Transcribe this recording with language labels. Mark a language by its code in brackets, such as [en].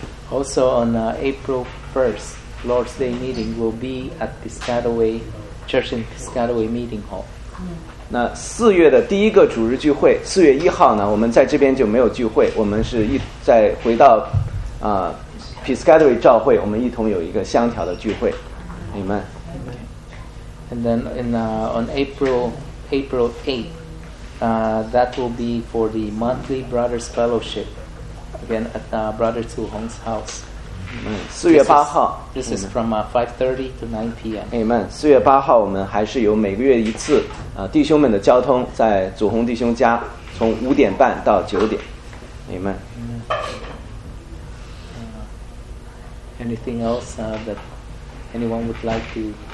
[en] Also on April 1st, Lord's Day meeting will be at Piscataway Church in Piscataway Meeting Hall. [zh] 那四月的第一个主日聚会，4月1号呢，我们在这边就没有聚会，我们是再回到Piscataway 教会，我们一同有一个香条的聚会。 [en] Amen. Okay. And then on April 8th, that will be for the monthly brothers fellowship, again at Brother Zhu Hong's house. [zh] 4月8号。 [en] This is from 5:30 to 9 p.m. Amen. [zh] 4月8号，我们还是有每个月一次弟兄们的交通，在祖宏弟兄家，从5:30到9:00。 Amen. [en] Anything else that anyone would like to?